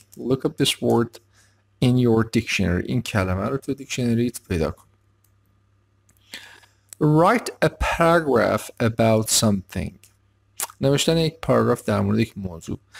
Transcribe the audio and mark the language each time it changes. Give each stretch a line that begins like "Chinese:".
English: Look up this word in your dictionary.
Persian: این کلمه رو توی دیکشنریت پیدا کن.
English: Write a paragraph about something.
Persian: نوشتن یک پاراگراف در مورد یک موضوع.